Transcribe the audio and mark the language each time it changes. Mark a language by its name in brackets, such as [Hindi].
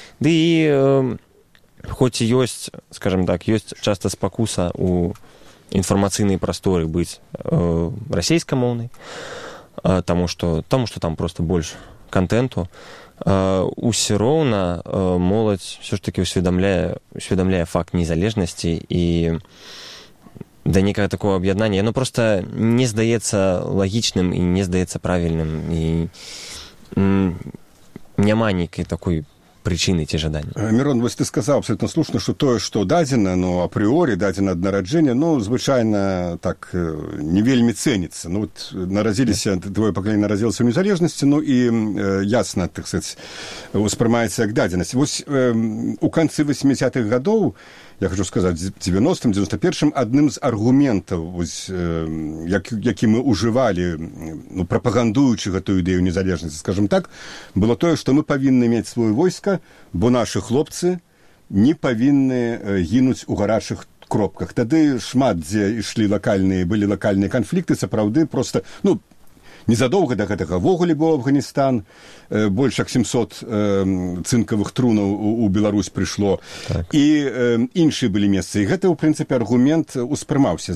[Belarusian] Ды і хоць і ёсць, скажам так, ёсць часта спакуса ў інфармацыйнай прасторы быць расейскамоўнай, таму што там проста больш контенту, усе роўна моладзь ўсё ж такі усведамляе факт незалежнасці і да некага такого аб'яднання. Яно проста не здаецца лагічным і не здаецца правільным, і няма нейкай такой причины те жадания. [Russian] Мирон, вот ты сказал абсолютно слушно, что то, что дадено, ну, априори дадено от нараджения, ну, звычайно, так, не вельми ценится. Ну, вот наразились, твое поколение наразилось в незалежности, ну, и ясно, так сказать, воспринимается как даденность. Вот у конца 80-х годов, я хочу сказать, в 90-м, 91-м, одним из аргументов, вот, [Belarusian] які мы уживали, [Russian] ну, пропагандуючи эту идею незалежности, скажем так, было то, что мы повинны иметь свое войско, бо наши хлопцы не повинны гинуть у гарачых кропках. [Belarusian] Тады шмат, [Russian] где ішли локальные, были локальные конфликты, [Belarusian] сапраўды просто, ну, незадолго до гэтага вогулі быў Афганістан, больш як 700 цынкавых трунаў у Беларусь прыйшло. Так. І іншыя былі месцы. І гэта, у прынцыпе, аргумент успрымаўся.